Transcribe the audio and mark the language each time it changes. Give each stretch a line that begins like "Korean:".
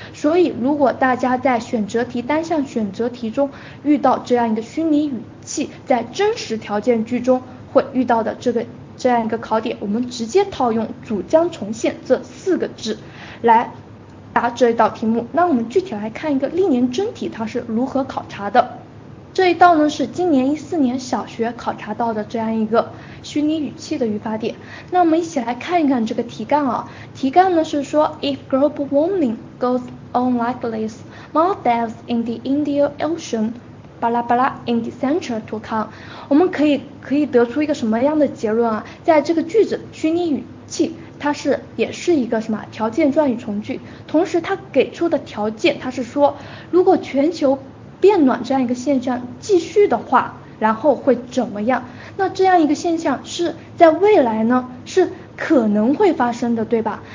Chinese: 所以如果大家在选择题单项选择题中遇到这样一个虚拟语气在真实条件句中会遇到的这样一个考点，我们直接套用主将重现这四个字来答这一道题目。那我们具体来看一个历年真题它是如何考察的。这一道呢是今年2014年小学考察到的这样一个虚拟语气的语法点。那我们一起来看一看这个题干啊。题干呢是说
English: If global warming goes on like this, more deaths in the Indian Ocean,
Chinese: 巴拉巴拉
English: in the center to come。
Chinese: 我们可以得出一个什么样的结论啊？在这个句子虚拟语气它是也是一个什么条件状语从句，同时它给出的条件它是说如果全球变暖这样一个现象继续的话然后会怎么样，那这样一个现象是在未来呢是可能会发生的，对吧？